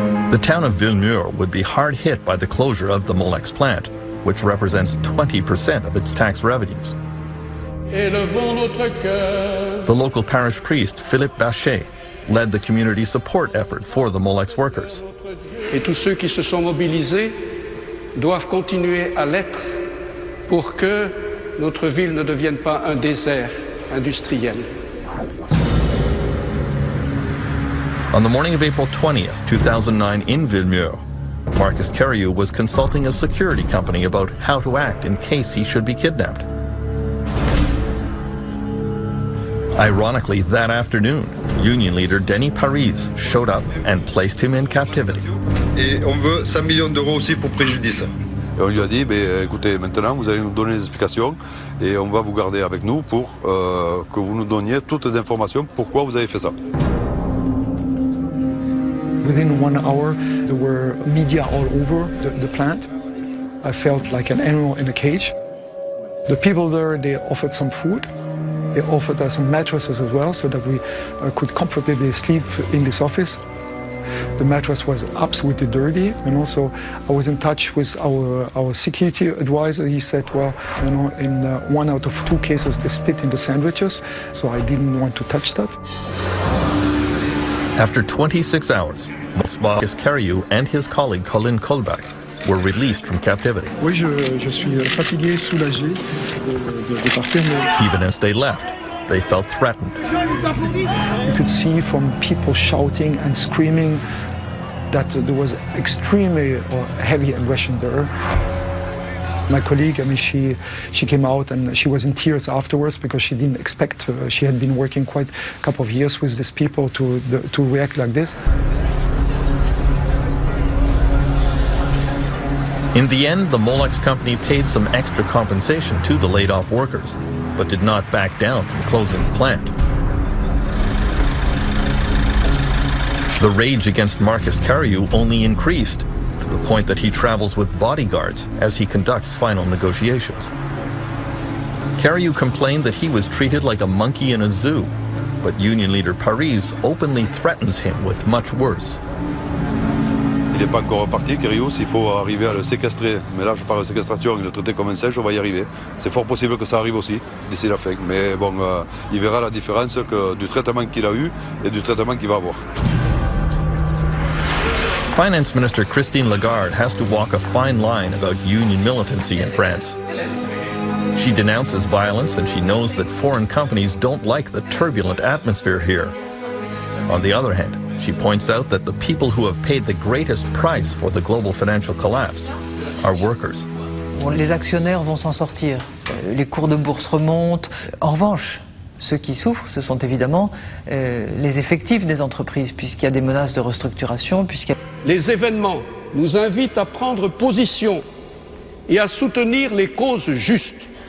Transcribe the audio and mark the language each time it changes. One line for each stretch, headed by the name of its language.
English: The town of Villemur would be hard hit by the closure of the Molex plant, which represents 20% of its tax revenues. The local parish priest, Philippe Bachet, led the community support effort for the Molex workers.
French: Et tous ceux qui se sont mobilisés doivent continuer à l'être pour que notre ville ne devienne pas un désert industriel.
English: On the morning of April 20th, 2009, in Villemur, Marcus Carriou was consulting a security company about how to act in case he should be kidnapped. Ironically, that afternoon, union leader Denis Paryse showed up and placed him in captivity.
French: Et on veut 5 millions d'euros aussi pour préjudice. Et on lui a dit, ben, écoutez, maintenant vous allez nous donner les explications et on va vous garder avec nous pour que vous nous donniez toutes les informations pourquoi vous avez fait ça.
English: Within 1 hour, there were media all over the plant. I felt like an animal in a cage. The people there, they offered some food. They offered us some mattresses as well, so that we could comfortably sleep in this office. The mattress was absolutely dirty, and also I was in touch with our security advisor. He said, well, you know, in one out of two cases, they spit in the sandwiches, so I didn't want to touch that. After 26 hours, Mosbah Iskariou and his colleague Colin Kolbak were released from captivity.
French: Oui, je suis fatigué, soulagé de partir, mais...
English: Even as they left, they felt threatened. You could see from people shouting and screaming that there was extremely heavy aggression there. My colleague, I mean, she came out and she was in tears afterwards because she didn't expect, she had been working quite a couple of years with these people to react like this. In the end, the Molex company paid some extra compensation to the laid-off workers, but did not back down from closing the plant. The rage against Marc Iskariou only increased to the point that he travels with bodyguards as he conducts final negotiations. Iskariou complained that he was treated like a monkey in a zoo, but union leader Paryse openly threatens him with much worse.
French: Il n'est pas encore parti, Kérius, il faut arriver à le séquestrer. Mais là, je parle de séquestration, il le traitait comme un singe, on va y arriver. C'est fort possible que ça arrive aussi d'ici la fin. Mais bon, il verra la différence que, du traitement qu'il a eu et du traitement qu'il va avoir.
English: Finance Minister Christine Lagarde has to walk a fine line about union militancy in France. She denounces violence and she knows that foreign companies don't like the turbulent atmosphere here. On the other hand, she points out that the people who have paid the greatest price for the global financial collapse are workers.
French: Bon, les actionnaires vont s'en sortir. Les cours de bourse remontent. En revanche, ceux qui souffrent, ce sont évidemment les effectifs des entreprises, puisqu'il y a des menaces de restructuration. Les événements nous invitent à prendre position et à soutenir les causes justes.